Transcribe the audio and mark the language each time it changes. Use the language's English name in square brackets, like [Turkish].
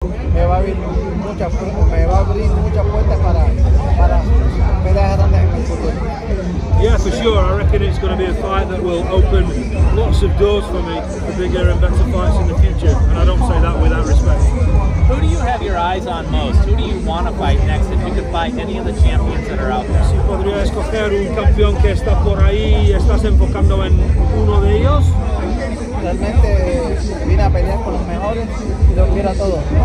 [Spanish] me va a abrir muchas puertas para peleas grandes en el futuro. [English] Yeah, for sure. I reckon it's going to be a fight that will open lots of doors for me for bigger and better fights in the future. And I don't say that without respect. Who do you have your eyes on most? Who do you want to fight next if you could fight any of the champions that are out there? [Spanish] Si podría escoger un campeón que está por ahí, ¿estás enfocando en uno de ellos? Realmente vine a pelear con los mejores y los quiero a todos.